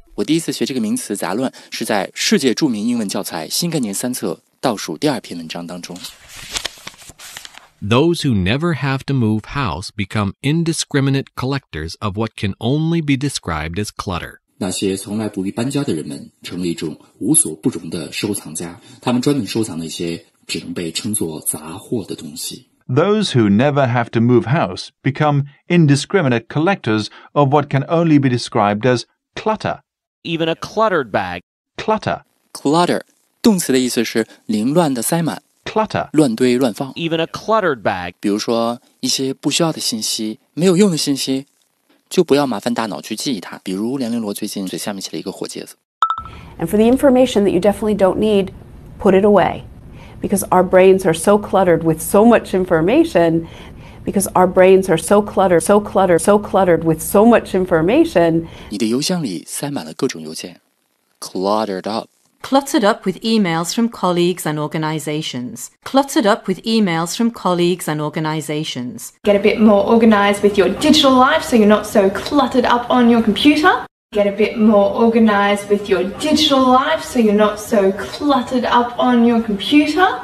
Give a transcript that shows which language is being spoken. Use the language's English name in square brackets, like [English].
[Chinese] 我第一次学这个名词杂乱是在世界著名英文教材新概念三册倒数第二篇文章当中 [English] Those who never have to move house become indiscriminate collectors of what can only be described as clutter [Chinese] 那些从来不必搬家的人们成了一种无所不容的收藏家他们专门收藏那些只能被称作杂货的东西 [English] Those who never have to move house become indiscriminate collectors of what can only be described as clutter. Even a cluttered bag. Clutter. Clutter. [Chinese] 动词的意思是凌乱的塞满。 [English] Clutter. [Chinese] 乱堆乱放。 [English] Even a cluttered bag. [Chinese] 比如说一些不需要的信息没有用的信息就不要麻烦大脑去记忆它。比如梁玲罗最近嘴下面起了一个火疖子。 [English] And for the information that you definitely don't need, put it away. Because our brains are so cluttered with so much information. [Chinese] 你的邮箱里塞满了各种邮件。 [English] Cluttered up. Cluttered up with emails from colleagues and organizations. Cluttered up with emails from colleagues and organizations. Get a bit more organized with your digital life so you're not so cluttered up on your computer. Get a bit more organized with your digital life so you're not so cluttered up on your computer.